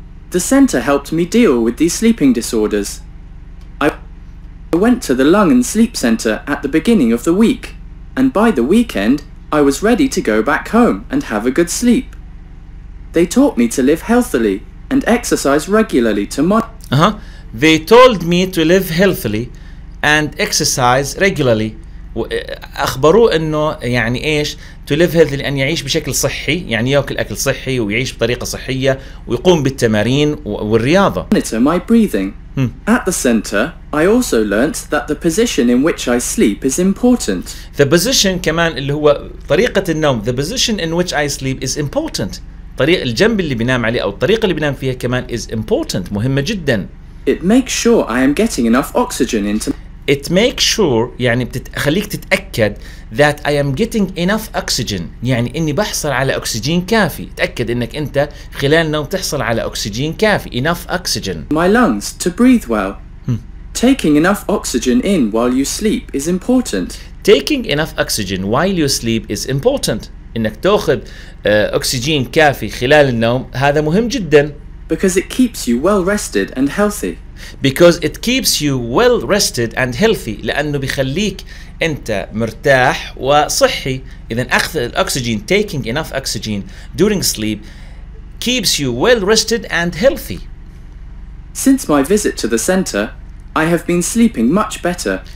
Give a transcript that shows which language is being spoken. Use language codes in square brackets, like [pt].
[en] The center helped me deal with these sleeping disorders. I went to the lung and sleep center at the beginning of the week, and by the weekend, I was ready to go back home and have a good sleep. They taught me to live healthily and exercise regularly to my... They told me to live healthily and exercise regularly. [ar] أخبروه أنه يعني إيش [en] to live healthy [ar] أن يعيش بشكل صحي يعني يأكل أكل صحي ويعيش بطريقة صحية ويقوم بالتمارين والرياضة. [en] Monitor my breathing. At the center, I also learnt that the position in which I sleep is important. The position [ar] كمان اللي هو طريقة النوم. [en] The position in which I sleep is important. [ar] طريق الجنب اللي بنام عليه أو الطريقة اللي بنام فيها كمان [en] is important. [ar] مهمة جدا. [en] It makes sure I am getting enough oxygen into. It makes sure [ar] يعني بتخليك تتأكد [en] that I am getting enough oxygen [ar] يعني إني بحصل على أكسجين كافي. تأكد إنك أنت خلال النوم تحصل على أكسجين كافي. [en] Enough oxygen. My lungs to breathe well. Taking enough oxygen in while you sleep is important. Taking enough oxygen while you sleep is important. [ar] إنك تأخذ أكسجين كافي خلال النوم هذا مهم جدا. [en] Because it keeps you well rested and healthy. Because it keeps you well rested and healthy. [ar] لأنه بيخليك أنت مرتاح وصحي. إذا أخذ الأكسجين [en] taking enough oxygen during sleep keeps you well rested and healthy. Since my visit to the center, I have been sleeping much better.